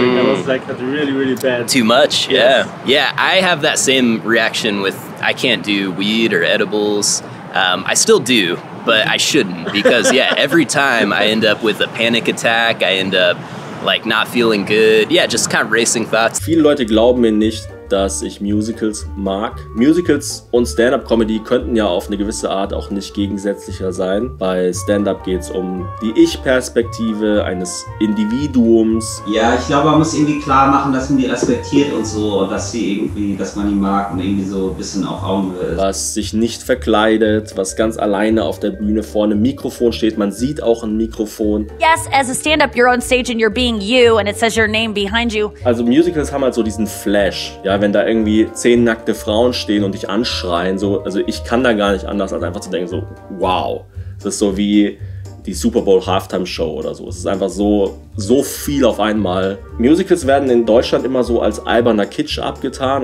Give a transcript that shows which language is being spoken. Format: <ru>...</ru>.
<en>Mm. I was like, that's really, really bad. Too much? Yes. Yeah. Yeah, I have that same reaction with, I can't do weed or edibles. I still do, but I shouldn't. Because, yeah, every time I end up with a panic attack, I end up, like, not feeling good. Yeah, just kind of racing thoughts.</en> <de>Viele Leute glauben mir nicht, dass ich Musicals mag. Musicals und Stand-Up-Comedy könnten ja auf eine gewisse Art auch nicht gegensätzlicher sein. Bei Stand-Up geht es um die Ich-Perspektive eines Individuums. Ja, ich glaube, man muss irgendwie klar machen, dass man die respektiert und so, und dass sie irgendwie, dass man die mag und irgendwie so ein bisschen auf Augenhöhe ist. Was sich nicht verkleidet, was ganz alleine auf der Bühne vor einem Mikrofon steht. Man sieht auch ein Mikrofon.</de> <en>Yes, as a Stand-Up, you're on stage and you're being you and it says your name behind you.</en> <de>Also Musicals haben halt so diesen Flash, ja, wenn da irgendwie 10 nackte Frauen stehen und dich anschreien, so, also ich kann da gar nicht anders, als einfach zu denken, so, wow. Das ist so wie die Super Bowl Halftime Show oder so. Es ist einfach so, so viel auf einmal. Musicals werden in Deutschland immer so als alberner Kitsch abgetan.</de>